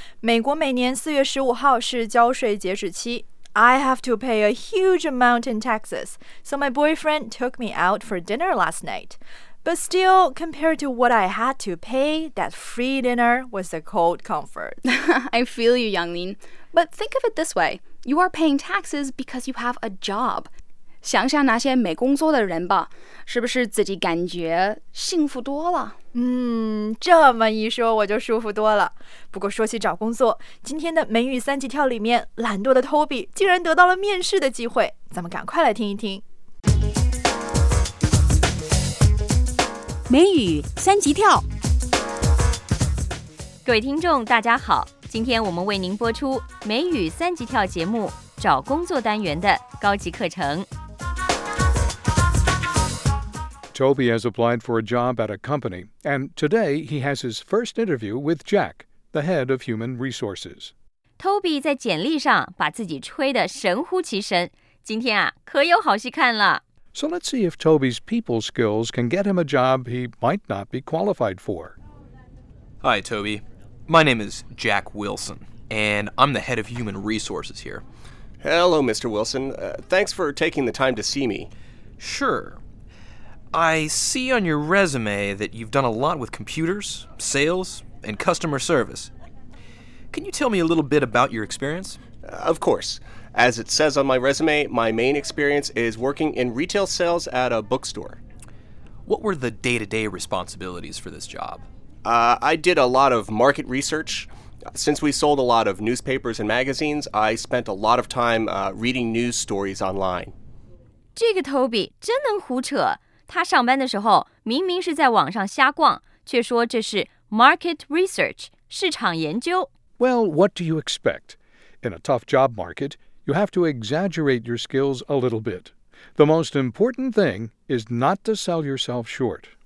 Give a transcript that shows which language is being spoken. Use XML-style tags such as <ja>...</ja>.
<zh>美国每年4月15号是交税截止期。</zh> <en>I have to pay a huge amount in taxes, so my boyfriend took me out for dinner last night. But still, compared to what I had to pay, that free dinner was a cold comfort. I feel you, Yanglin. But think of it this way. You are paying taxes because you have a job.</en> <zh>想想那些没工作的人吧，是不是自己感觉幸福多了？这么一说我就舒服多了。不过说起找工作，今天的美语三级跳里面，懒惰的 Toby 竟然得到了面试的机会。咱们赶快来听一听。美语三级跳，各位听众大家好，今天我们为您播出美语三级跳节目找工作单元的高级课程。</zh> <en>Toby has applied for a job at a company, and today he has his first interview with Jack, the head of human resources.</en> <zh>Toby 在简历上把自己吹得神乎其神，今天啊，可有好戏看了。</zh> <en>So let's see if Toby's people skills can get him a job he might not be qualified for. Hi, Toby. My name is Jack Wilson, and I'm the head of human resources here. Hello, Mr. Wilson. Thanks for taking the time to see me. Sure. I see on your resume that you've done a lot with computers, sales, and customer service. Can you tell me a little bit about your experience? Of course. As it says on my resume, my main experience is working in retail sales at a bookstore. What were the day-to-day responsibilities for this job? I did a lot of market research. Since we sold a lot of newspapers and magazines, I spent a lot of time reading news stories online.</en> <zh>这个 Toby 真能胡扯。他上班的时候明明是在网上瞎逛，却说这是 market research, 市场研究。</zh> <en>Well, what do you expect? In a tough job market,You have to exaggerate your skills a little bit. The most important thing is not to sell yourself short.</en>